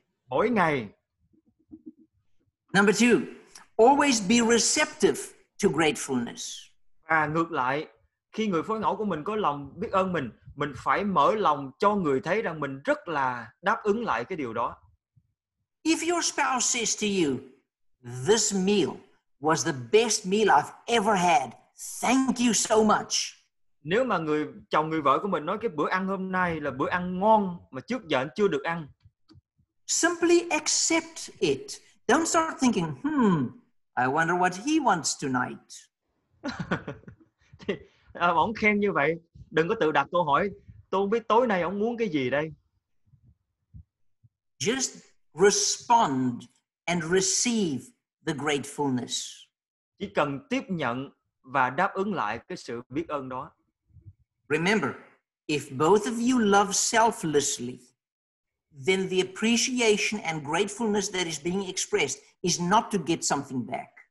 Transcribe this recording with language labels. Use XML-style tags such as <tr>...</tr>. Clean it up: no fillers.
<vi>Mỗi ngày.</vi> <en>Number two, always be receptive to gratefulness.</en> <vi>À, ngược lại, khi người phối ngẫu của mình có lòng biết ơn mình phải mở lòng cho người thấy rằng mình rất là đáp ứng lại cái điều đó.</vi> <en>If your spouse says to you, "This meal was the best meal I've ever had. Thank you so much."</en> <vi>Nếu mà người chồng, người vợ của mình nói cái bữa ăn hôm nay là bữa ăn ngon mà trước giờ anh chưa được ăn.</vi> <en>Simply accept it. Don't start thinking, I wonder what he wants tonight.</en> <vi>Ông khen như vậy, đừng có tự đặt câu hỏi, tôi không biết tối nay ông muốn cái gì đây.</vi> <en>Just respond and receive the gratefulness.</en> <vi>Chỉ cần tiếp nhận và đáp ứng lại cái sự biết ơn đó.</vi> <en>Remember, if both of you love selflessly, then the appreciation and gratefulness that is being expressed is not to get something back.</en>